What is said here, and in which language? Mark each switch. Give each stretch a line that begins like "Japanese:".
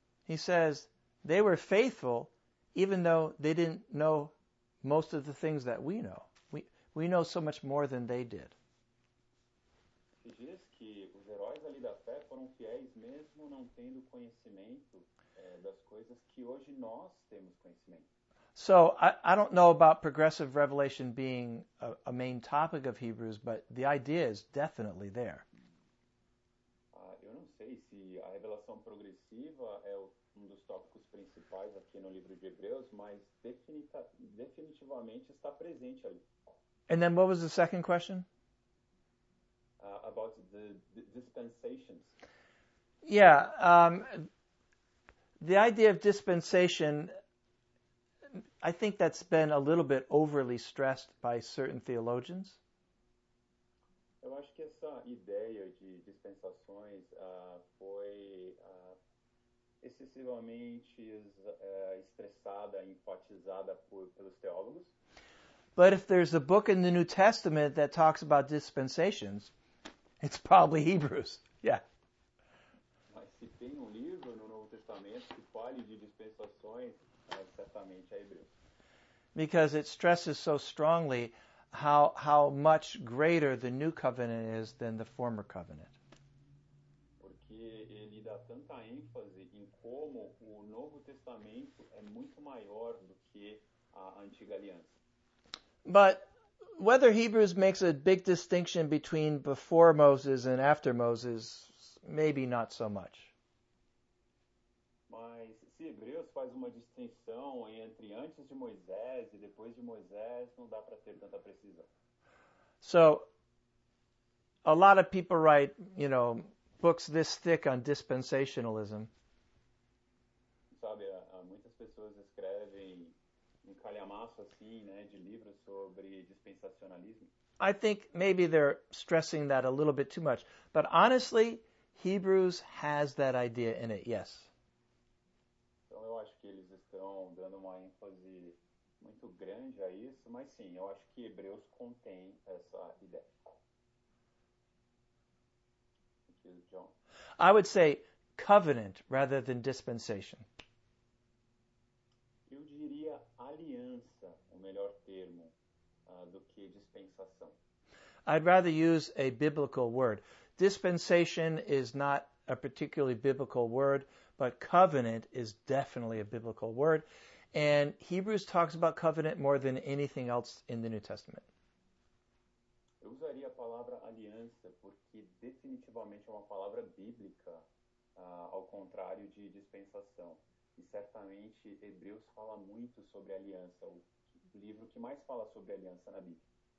English: He says they were faithful even though they didn't know most of the things that we know. We know so much more than they did. He says that
Portuguese: os heróis ali da fé foram fiéis mesmo não tendo conhecimento das coisas que hoje nós temos conhecimento.
English: So I don't know about progressive revelation being a main topic of Hebrews, but the idea is definitely there.
Portuguese: Eu não sei se a revelação progressiva é um dos tópicos principais aqui no livro de Hebreus, mas definitivamente está presente ali.
English: And then what was the second question? About the dispensations. Yeah, the idea of dispensation, I think that's been a little bit overly stressed by certain theologians.
Portuguese: Eu acho que essa ideia de dispensações foi excessivamente estressada, enfatizada pelos teólogos.
English: But if there's a book in the New Testament that talks about dispensations, it's probably Hebrews. Yeah.
Portuguese: Mas se tem livro no Novo Testamento que fale de dispensações, certamente é Hebreus.
English: Because it stresses so strongly how much greater the new covenant is than the former covenant.
Portuguese: Porque ele dá tanta ênfase em como o Novo Testamento é muito maior do que a Antiga Aliança.
English: But whether Hebrews makes a big distinction between before Moses and after Moses, maybe not so much.
Portuguese: Mas se Hebreus faz uma distinção entre antes de Moisés e depois de Moisés, não dá para ter tanta precisão.
English: So, a lot of people write, you know, books this thick on dispensationalism.
Portuguese: Sabe, muitas pessoas escrevem um calhamaço assim, né, de livros sobre dispensacionalismo.
English: I think maybe they're stressing that a little bit too much. But honestly, Hebrews has that idea in it, yes.
Portuguese: Então eu acho que eles estão dando uma ênfase muito grande a isso, mas sim, eu acho que Hebreus contém essa ideia.
English: John. I would say covenant rather than dispensation.
Portuguese: Eu diria aliança, o melhor termo, do que dispensação.
English: I'd rather use a biblical word. Dispensation is not a particularly biblical word, but covenant is definitely a biblical word. And Hebrews talks about covenant more than anything else in the New Testament.
Portuguese: Eu usaria a palavra aliança porque definitivamente é uma palavra bíblica, ao contrário de dispensação. E certamente Hebreus fala muito sobre aliança, o livro que mais fala sobre aliança na Bíblia.